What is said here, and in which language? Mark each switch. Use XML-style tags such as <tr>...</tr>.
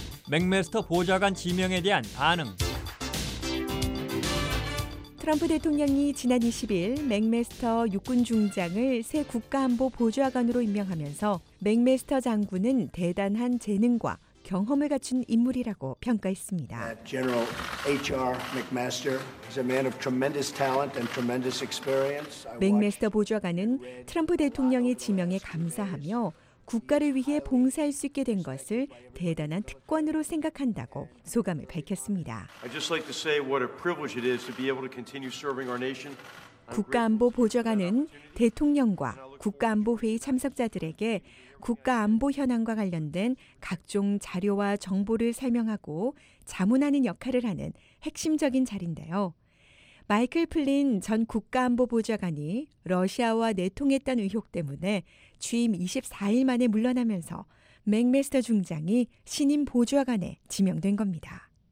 <ko>맥메스터 보좌관 지명에 대한 반응. 트럼프 대통령이 지난 20일 맥메스터 육군 중장을 새 국가안보 보좌관으로 임명하면서 맥메스터 장군은 대단한 재능과 경험을 갖춘 인물이라고 평가했습니다.</ko> <en>General H.R. McMaster is a man of tremendous talent and tremendous experience.</en> <ko>맥메스터 보좌관은 트럼프 대통령의 지명에 감사하며 국가를 위해 봉사할 수 있게 된 것을 대단한 특권으로 생각한다고 소감을 밝혔습니다.</ko> <en>I just like to say what a privilege it is to be able to continue serving our nation.</en> <ko>국가안보 보좌관은 대통령과 국가안보회의 참석자들에게 국가안보 현황과 관련된 각종 자료와 정보를 설명하고 자문하는 역할을 하는 핵심적인 자리인데요. 마이클 플린 전 국가안보 보좌관이 러시아와 내통했다는 의혹 때문에 취임 24일 만에 물러나면서 맥메스터 중장이 신임 보좌관에 지명된 겁니다.</ko>